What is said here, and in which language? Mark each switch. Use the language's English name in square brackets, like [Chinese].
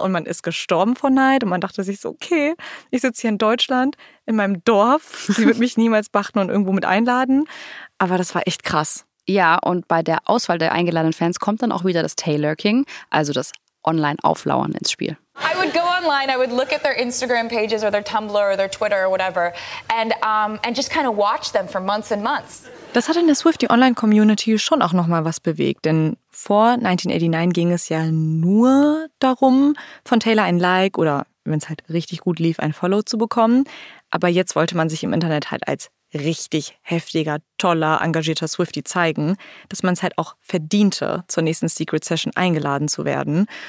[German] Und man ist gestorben vor Neid. Und man dachte sich so, okay, ich sitze hier in Deutschland, in meinem Dorf. Sie wird mich niemals beachten und irgendwo mit einladen. Aber das war echt krass. Ja, und bei der Auswahl der eingeladenen Fans kommt dann auch wieder das Tailorking, also das Online-Auflauern ins Spiel. [English] I would go online, I would look at their Instagram pages or their Tumblr or their Twitter or whatever and just kind of watch them for months and months. [German] Das hat in der Swiftie Online-Community schon auch nochmal was bewegt, denn vor 1989 ging es ja nur darum, von Taylor ein Like oder, wenn es halt richtig gut lief, ein Follow zu bekommen. Aber jetzt wollte man sich im Internet halt als richtig heftiger, toller, engagierter Swiftie zeigen, dass man es halt auch verdiente, zur nächsten Secret Session eingeladen zu werden.